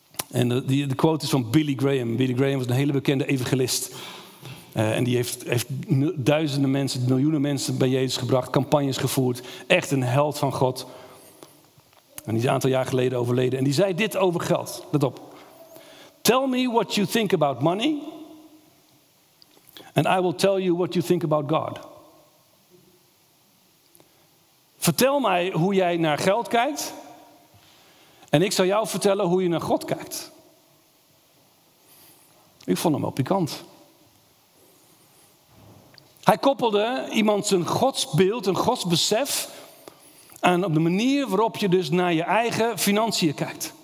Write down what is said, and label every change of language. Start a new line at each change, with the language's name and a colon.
Dutch: En de quote is van Billy Graham. Billy Graham was een hele bekende evangelist. En die heeft duizenden mensen, miljoenen mensen bij Jezus gebracht. Campagnes gevoerd. Echt een held van God. En die is een aantal jaar geleden overleden. En die zei dit over geld. Let op.
English: Tell me what you think about money. And I will tell you what you think about God.
Dutch: Vertel mij hoe jij naar geld kijkt. En ik zal jou vertellen hoe je naar God kijkt. Ik vond hem wel pikant. Hij koppelde iemand zijn godsbeeld, een godsbesef, aan op de manier waarop je dus naar je eigen financiën kijkt.